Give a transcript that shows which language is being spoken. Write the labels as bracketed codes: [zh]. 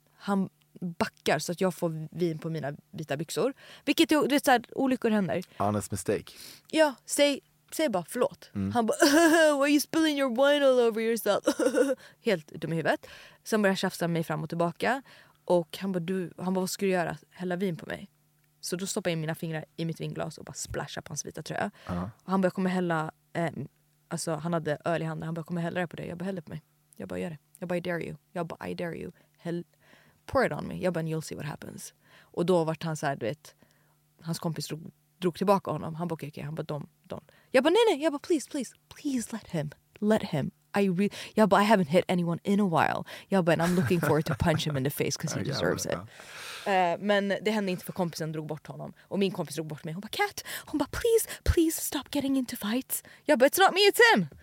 [sv] Han backar så att jag får vin på mina vita byxor. Vilket, du vet, så här, olyckor händer. [en] Honest mistake. [sv] Ja, säg bara förlåt. Mm. Han bara, [en] why are you spilling your wine all over yourself? [sv] Helt dum i huvudet. Sen börjar tjafsa mig fram och tillbaka. Och han bara, vad ska du göra? Hälla vin på mig. Så då stoppar jag in mina fingrar i mitt vinglas och bara splashar på hans vita tröja. Uh-huh. Och han bara, kommer hälla... Alltså han hade öl i handen. Han bara, kommer hälla det på det. Jag bara, häll det på mig. Jag bara, gör det. Jag bara, [en] I dare you. Pour it on me. [sv] Jag bara, [en] you'll see what happens. [sv] Och då vart han så här, du vet. Hans kompis drog tillbaka honom. Han bara, okay. Han bara, don't. Jag bara, nej. Jag bara, [en] please let him. [sv] Jag bara, [en] I haven't hit anyone in a while. Jag bara, and I'm looking forward to punch him in the face because he deserves it. [sv] Men det hände inte för kompisen drog bort honom. Och min kompis drog bort mig. Hon bara, Kat. Hon bara, [en] please stop getting into fights. [sv] Jag bara, [en] it's not me, it's him.